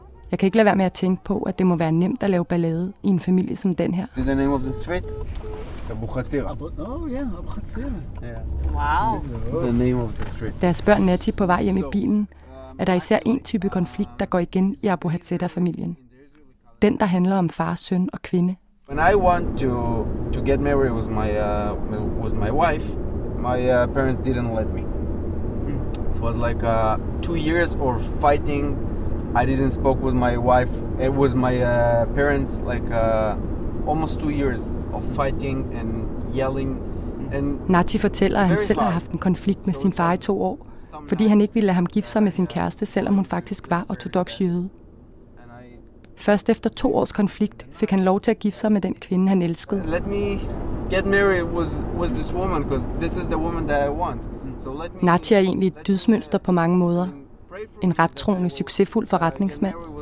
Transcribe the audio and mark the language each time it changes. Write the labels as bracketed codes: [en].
[da] Jeg kan ikke lade være med at tænke på, at det må være nemt at lave ballade i en familie som den her. [en] The name of the street? Abu Hatzira. Abu Hatzira. Yeah. Wow. The name of the street. [da] Da jeg spørger Nati på vej hjem i bilen, er der især en type konflikt, der går igen i Abu Hatzira-familien. Den, der handler om far, søn og kvinde. [en] When I want to get married with my wife, my parents didn't let me. It was like 2 years of fighting. I didn't spoke with my wife. It was my parents, like almost 2 years of fighting and yelling. And [da] Nati fortæller, at han selv har haft en konflikt med sin far i 2 år, fordi han ikke ville lade ham gifte sig med sin kæreste, selvom hun faktisk var ortodox jøde. Først efter 2 års konflikt fik han lov til at gifte sig med den kvinde, han elskede. [en] Let me get married with this woman, because this is the woman that I want. So let me. [da] Nati er egentlig et dydsmønster på mange måder. En rettroende, succesfuld forretningsmand.